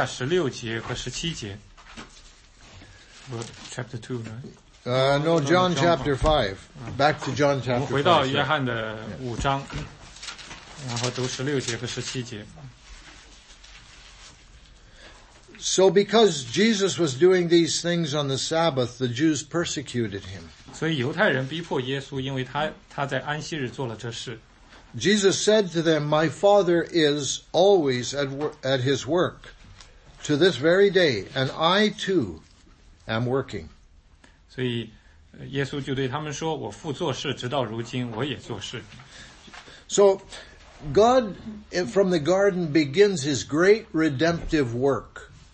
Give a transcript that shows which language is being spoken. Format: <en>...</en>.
<zh>然后我们读一下16节和17节。</zh> <en>Chapter 2, right? No, John chapter 5. Back to John chapter 5.</en> <zh>回到约翰的五章, 然后读16节和17节。</zh> <en>So because Jesus was doing these things on the Sabbath, the Jews persecuted him.</en> <zh>所以犹太人逼迫耶稣, 因为他在安息日做了这事。</zh> <en>Jesus said to them, My Father is always at his work to this very day, and I too am working.</en> <zh>所以耶稣就对他们说，我父做事，直到如今，我也做事。So,</zh> <en>God from the garden begins His great redemptive work.</en>